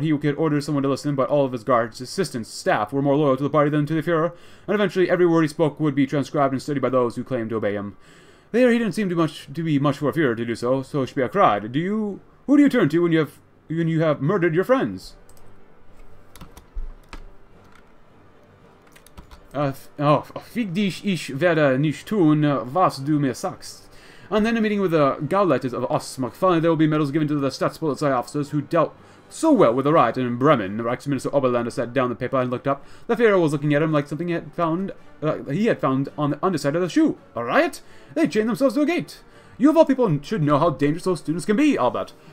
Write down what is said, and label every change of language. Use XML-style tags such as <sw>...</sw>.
<en>He could order someone to listen, but all of his guards, assistants, staff were more loyal to the party than to the Führer, and eventually every word he spoke would be transcribed and studied by those who claimed to obey him. There, he didn't seem to be much for a Führer to do so, so Speer cried. Who do you turn to when you have murdered your friends?</en> <de>Fick dich, ich werde nicht tun, was du mir sagst.</de> <en>And then a meeting with the Gauleiters of Osmark. Finally, there will be medals given to the Staatspolizei officers who dealt so well with the riot in Bremen. The Reichsminister Oberlander sat down the paper and looked up. The Führer was looking at him like something he had found on the underside of the shoe. A riot? They chained themselves to a gate. You of all people should know how dangerous those students can be, Albert.</en>